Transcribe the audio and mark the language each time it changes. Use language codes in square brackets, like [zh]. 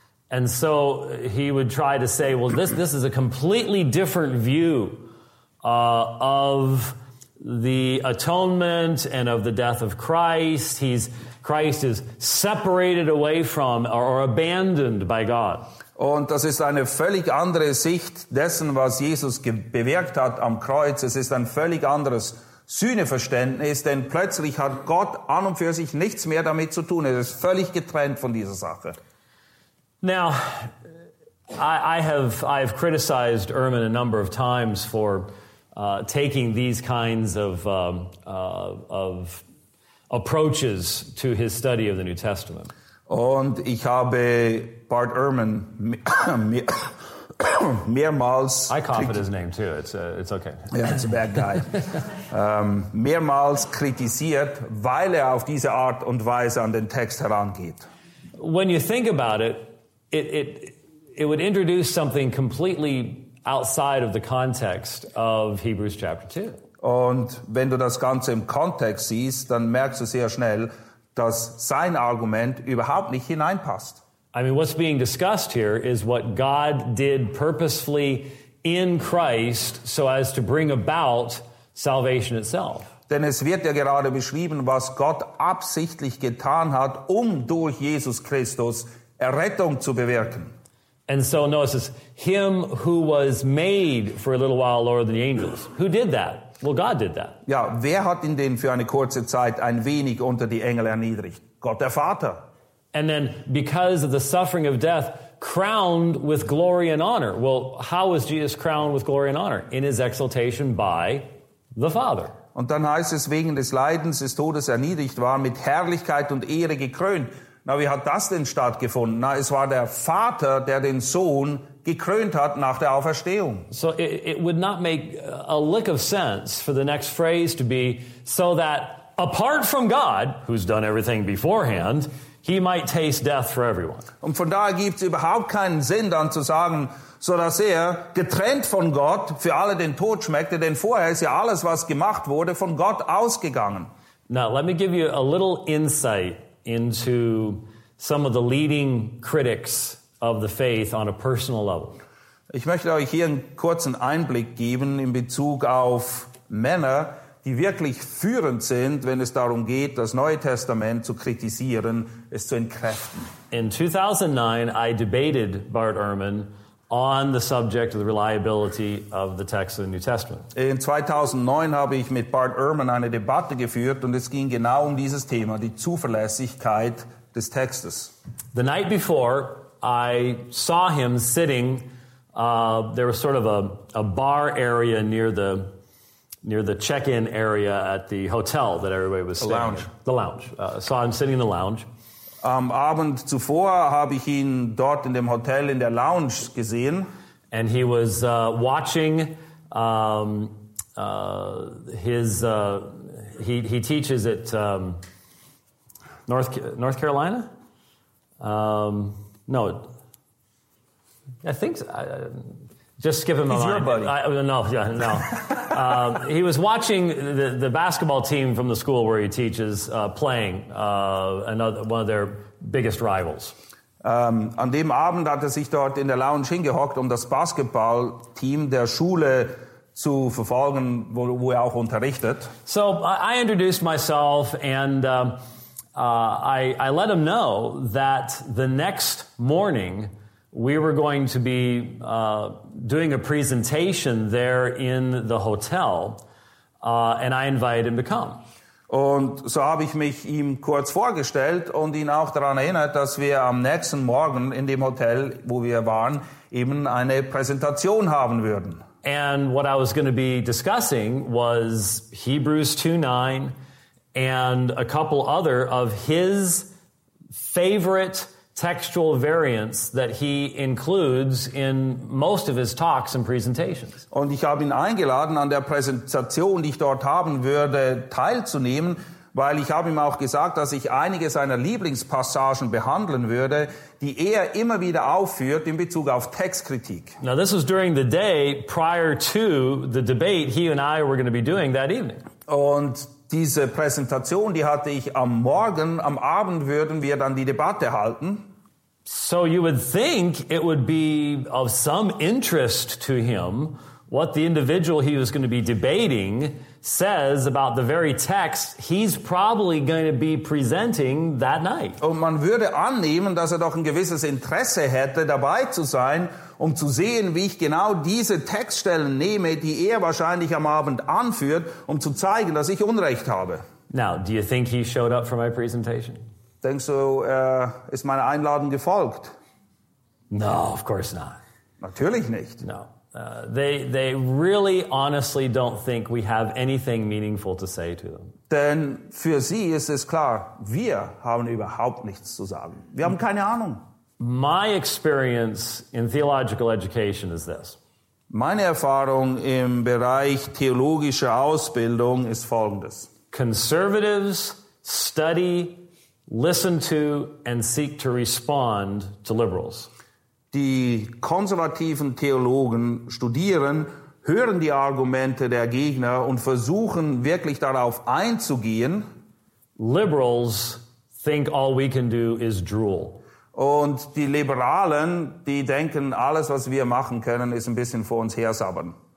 [en] And so he would try to say, well, this is a completely different view of the atonement and of the death of Christ. Christ is separated away from or abandoned by God. [de] Und das ist eine völlig andere Sicht dessen, was Jesus bewirkt hat am Kreuz. Es ist ein völlig anderes Sühneverständnis, denn plötzlich hat Gott an und für sich nichts mehr damit zu tun. Er ist völlig getrennt von dieser Sache. [en] Now, I have criticized Ehrman a number of times for taking these kinds of approaches to his study of the New Testament. [de] Und ich habe Bart Ehrman mehrmals. [en] I cough at his name too. It's okay. Yeah, it's a bad guy. [de] mehrmals kritisiert, weil auf diese Art und Weise an den Text herangeht. [en] When you think about it, it would introduce something completely outside of the context of Hebrews chapter 2. [de] Und wenn du das Ganze im Kontext siehst, dann merkst du sehr schnell, dass sein Argument überhaupt nicht hineinpasst. [en] I mean, what's being discussed here is what God did purposefully in Christ so as to bring about salvation itself. [de] Denn es wird ja gerade beschrieben, was Gott absichtlich getan hat, um durch Jesus Christus Errettung zu bewirken. [en] And so notice this, him who was made for a little while lower than the angels. Who did that? Well, God did that. [de] Ja, wer hat ihn denn für eine kurze Zeit ein wenig unter die Engel erniedrigt? Gott der Vater. [en] And then because of the suffering of death, crowned with glory and honor. Well, how was Jesus crowned with glory and honor? In his exaltation by the Father. [de] Und dann heißt es, wegen des Leidens des Todes erniedrigt war, mit Herrlichkeit und Ehre gekrönt. Na, wie hat das denn stattgefunden? Na, es war der Vater, der den Sohn gekrönt hat nach der Auferstehung. [en] So it would not make a lick of sense for the next phrase to be, so that apart from God, who's done everything beforehand, he might taste death for everyone. [de] Und von daher gibt's überhaupt keinen Sinn, dann zu sagen, so dass getrennt von Gott für alle den Tod schmeckte, denn vorher ist ja alles, was gemacht wurde, von Gott ausgegangen. [en] Now, let me give you a little insight into some of the leading critics of the faith on a personal level. [de] Ich möchte euch hier einen kurzen Einblick geben in Bezug auf Männer, die wirklich führend sind, wenn es darum geht, das Neue Testament zu kritisieren, es zu entkräften. [en] In 2009, I debated Bart Ehrman on the subject of the reliability of the text of the New Testament. [de] In 2009 habe ich mit Bart Ehrman eine Debatte geführt und es ging genau um dieses Thema, die Zuverlässigkeit des Textes. [en] The night before, I saw him sitting, there was sort of a bar area near the check-in area at the hotel that everybody was staying. The lounge. The lounge. Saw him sitting in the lounge. [de] Am Abend zuvor habe ich ihn dort in dem Hotel in der Lounge gesehen. [en] And he was watching his he teaches at North Carolina. No, I think so. Just skip him. He's a your line. Buddy. No. he was watching the basketball team from the school where he teaches playing one of their biggest rivals. [de] An dem Abend hat er sich dort in der Lounge hingehockt, um das Basketballteam der Schule zu verfolgen, wo er auch unterrichtet. [en] So, I introduced myself and I let him know that the next morning we were going to be doing a presentation there in the hotel, and I invited him to come. [de] Und so habe ich mich ihm kurz vorgestellt und ihn auch daran erinnert, dass wir am nächsten Morgen in dem Hotel, wo wir waren, eben eine Präsentation haben würden. [en] And what I was going to be discussing was Hebrews 2:9 and a couple other of his favorite textual variants that he includes in most of his talks and presentations. [de] Und ich habe ihn eingeladen, an der Präsentation, die ich dort haben würde, teilzunehmen, weil ich habe ihm auch gesagt, dass ich einige seiner Lieblingspassagen behandeln würde, die er immer wieder aufführt in Bezug auf Textkritik. [en] Now this was during the day prior to the debate he and I were going to be doing that evening. [de] Und diese Präsentation, die hatte ich am Morgen, am Abend würden wir dann die Debatte halten. [en] So you would think it would be of some interest to him what the individual he was going to be debating says about the very text he's probably going to be presenting that night. [de] Und man würde annehmen, dass er doch ein gewisses Interesse hätte, dabei zu sein, um zu sehen, wie ich genau diese Textstellen nehme, die er wahrscheinlich am Abend anführt, um zu zeigen, dass ich Unrecht habe. [en] Now, do you think he showed up for my presentation? [de] Denkst du, ist meine Einladung gefolgt? [en] No, of course not. [de] Natürlich nicht. [en] No. They really honestly don't think we have anything meaningful to say to them. [de] Denn für sie ist es klar, wir haben überhaupt nichts zu sagen. Wir haben keine Ahnung. [en] My experience in theological education is this. [de] Meine Erfahrung im Bereich theologischer Ausbildung ist folgendes. [en] Conservatives study, listen to and seek to respond to liberals. [de] Die konservativen Theologen studieren, hören die Argumente der Gegner und versuchen wirklich darauf einzugehen. [en] Liberals think all we can do is drool. [de] Und die Liberalen, die denken, alles, was wir machen können, ist ein bisschen vor uns hersabbern.